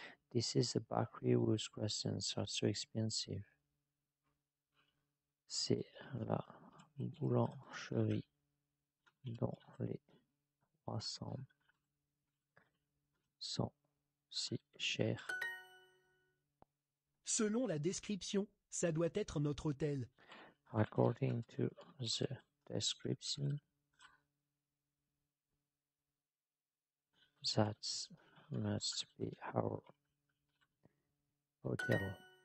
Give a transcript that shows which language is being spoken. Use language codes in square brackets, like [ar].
[en] This is a bakery whose croissants are so expensive. [fr] C'est la boulangerie dont les croissants sont si chers. Selon la description, ça doit être notre hôtel. [en] According to the description, that must be our hotel.